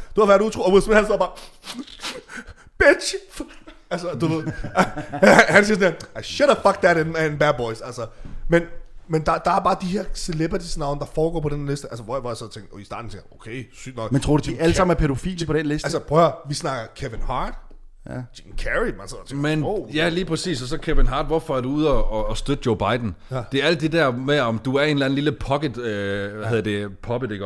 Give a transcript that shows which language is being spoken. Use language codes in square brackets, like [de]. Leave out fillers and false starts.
[da] Du har været utro. Og Will Smith, han står bare, bitch. Altså, du ved. Han siger sådan, [en] I should have fucked that in Bad Boys. [da] Altså, men der er bare de her celebrities navn, der foregår på den liste. Altså, hvor jeg var så tænkt, i starten tænkte, okay, sygt nok. Men tror du, de alle sammen er pædofile på den liste? Altså, prøv at høre, vi snakker Kevin Hart. Ja. Jim Carrey, man så tænker, men oh, ja, lige præcis. Og så Kevin Hart, hvorfor er du ude og støtte Joe Biden? Ja. Det er alt det der med, om du er en eller anden lille pocket, poppet, ikke?